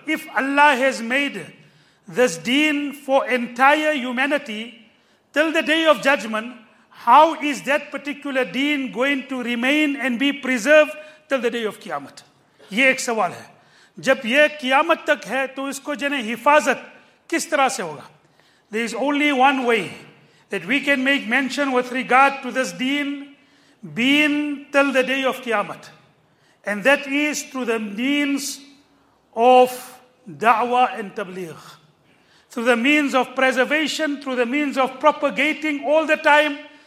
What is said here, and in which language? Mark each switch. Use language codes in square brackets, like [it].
[en] If Allah has made this deen for entire humanity till the day of judgment, how is that particular deen going to remain and be preserved till the day of قیامت? [ur] یہ ایک سوال ہے. جب یہ قیامت تک ہے تو اس کو جنہیں حفاظت کس طرح سے ہوگا? [en] There is only one way that we can make mention with regard to this deen being till the day of قیامت, and that is through the means of da'wah and tabligh, through the means of preservation, through the means of propagating all the time.